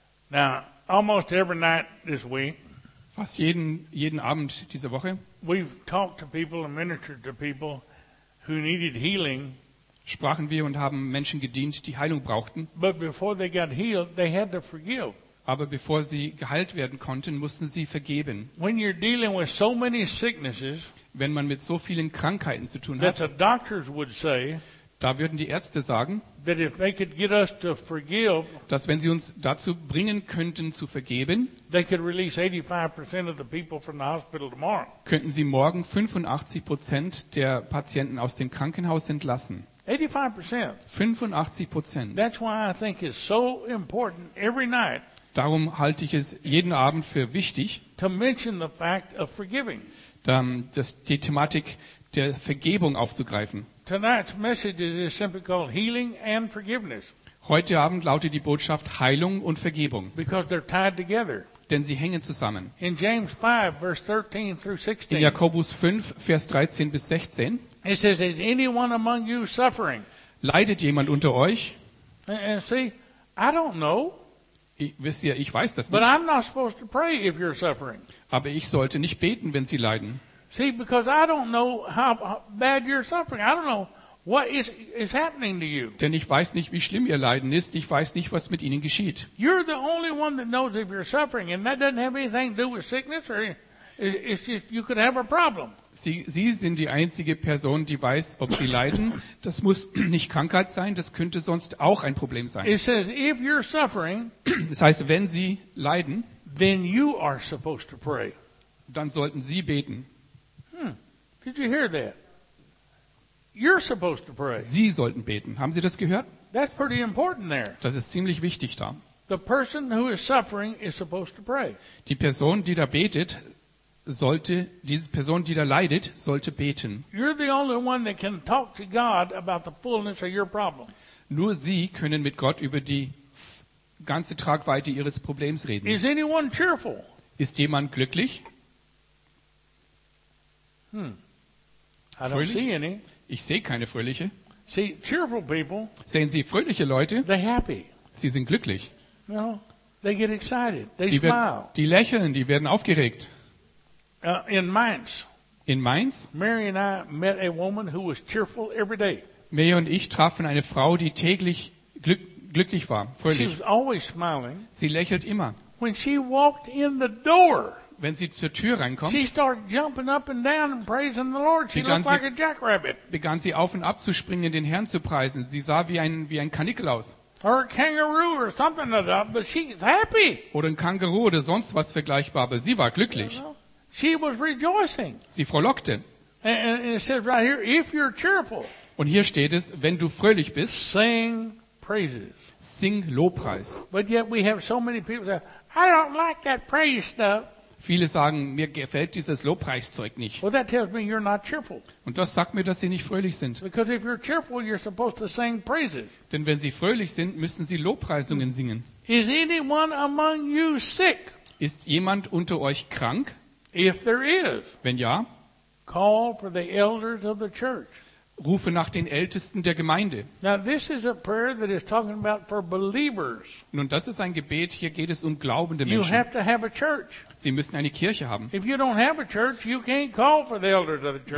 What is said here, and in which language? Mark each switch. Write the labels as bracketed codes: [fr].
[en] Now, almost every night this week, [de] fast jeden Abend diese Woche, [en] we've talked to people and ministered to people who needed healing. [de] Sprachen wir und haben Menschen gedient, die Heilung brauchten. [en] But before they got healed, they had to forgive. [de] Aber bevor sie geheilt werden konnten, mussten sie vergeben. [en] When you're dealing with so many sicknesses, [de] wenn man mit so vielen Krankheiten zu tun [en] that [de] hat, [en] the doctors would say, [de] Da würden die Ärzte sagen, [en] that if they could get us to forgive, [de] dass wenn sie uns dazu bringen könnten zu vergeben, [en] they could release 85% of the people from the hospital tomorrow. [de] Könnten sie morgen 85% der Patienten aus dem Krankenhaus entlassen. [en] 85%. That's why I think it's so important every night. [de] Darum halte ich es jeden Abend für wichtig, [en] to mention the fact of forgiving. [de] Dass die Thematik der Vergebung aufzugreifen. [en] Tonight's message is simply called healing and forgiveness. [de] Heute Abend lautet die Botschaft Heilung und Vergebung. [en] Because they're tied together. [de] Denn sie hängen zusammen. [en] In James 5, verse 13 through 16. [de] In Jakobus 5, Vers 13 bis 16. [en] It says, is anyone among you suffering? [de] Leidet jemand unter euch? [en] And see, I don't know. [de] Wisst ihr, ich weiß das nicht. [en] But I'm not supposed to pray if you're suffering. [de] Aber ich sollte nicht beten, wenn sie leiden. [en] See, because I don't know how bad you're suffering. I don't know what is happening to you. [de] Denn ich weiß nicht, wie schlimm ihr Leiden ist. Ich weiß nicht, was mit ihnen geschieht. [en] You're the only one that knows if you're suffering, and that doesn't have anything to do with sickness, or it's just you could have a problem. [de] Sie sind die einzige Person, die weiß, ob sie leiden. Das muss nicht Krankheit sein, das könnte sonst auch ein Problem sein. [en] It says, if you're suffering, [de] das heißt, wenn sie leiden, [en] then you are supposed to pray. [de] Dann sollten sie beten. [en] Did you hear that? You're supposed to pray. [de] Sie sollten beten. Haben Sie das gehört? [en] That's pretty important there. [de] Das ist ziemlich wichtig da. [en] The person who is suffering is supposed to pray. [de] Die Person, die da betet, sollte, diese Person, die da leidet, sollte beten. [en] You're the only one that can talk to God about the fullness of your problem. [de] Nur Sie können mit Gott über die ganze Tragweite Ihres Problems reden. [en] Is anyone cheerful? [de] Ist jemand glücklich? [en] I don't see any. [de] Ich sehe keine Fröhliche. [en] See, cheerful people, [de] sehen Sie fröhliche Leute? [en] They're happy. [de] Sie sind glücklich. [en] No, they get excited. They smile. [de] Die lächeln, die werden aufgeregt. In Mainz? [en] Mary and I met a woman who was cheerful every day. [de] Mary und ich trafen eine Frau, die täglich glücklich war, fröhlich. [en] She was always smiling. [de] Sie lächelt immer. [en] When she walked in the door, [de] wenn sie zur Tür reinkommt, [en] she started jumping up and down and praising the Lord. She looked like a jackrabbit. [de] Begann sie auf und ab zu springen, den Herrn zu preisen. Sie sah wie ein Kanickel aus. [en] Or a kangaroo or something like that, but she's happy. [de] Oder ein Kangaroo oder sonst was vergleichbar, aber sie war glücklich. [en] She was rejoicing. [de] Sie frohlockte. [en] And it says right here, if you're cheerful. [de] Und hier steht es, wenn du fröhlich bist, [en] sing praises. [de] Sing Lobpreis. [en] But yet we have so many people that I don't like that praise stuff. [de] Viele sagen, mir gefällt dieses Lobpreiszeug nicht. [en] Well, that tells me you're not cheerful. [de] Und das sagt mir, dass sie nicht fröhlich sind. [en] Because if you're cheerful, you're supposed to sing praises. [de] Denn wenn sie fröhlich sind, müssen sie Lobpreisungen singen. [en] Is anyone among you sick? [de] Ist jemand unter euch krank? [en] If there is, [de] wenn ja, [en] call for the elders of the church. [de] Rufe nach den Ältesten der Gemeinde. [en] Now, this is a prayer that is talking about for believers. [de] Nun, das ist ein Gebet, hier geht es um glaubende Menschen. [en] You have to have a church. [de] Sie müssen eine Kirche haben. [en] If you don't have a church, you can't call for the elders of the church.